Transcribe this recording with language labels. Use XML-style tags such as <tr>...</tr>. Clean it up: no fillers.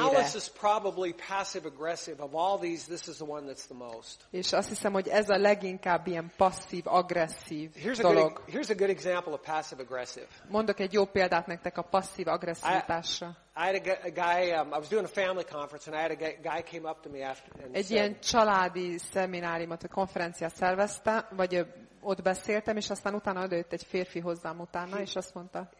<en>Malice is probably passive aggressive. Of all these, this is the one that's the most.</en> <hu>És azt hiszem, hogy ez a leginkább ilyen passzív agresszív dolog.</hu> <en>Here's a good example of passive aggressive.</en> <hu>Mondok egy jó példát nektek a passzív agresszivitásra.</hu> <en>I had a guy, I was doing a family conference, and I had a guy came up to me after.</en> <hu>Egy ilyen családi szemináriumot, a konferenciát szerveztem, vagy ott beszéltem, és aztán utána odajött egy férfi hozzám utána, és azt mondta.</hu>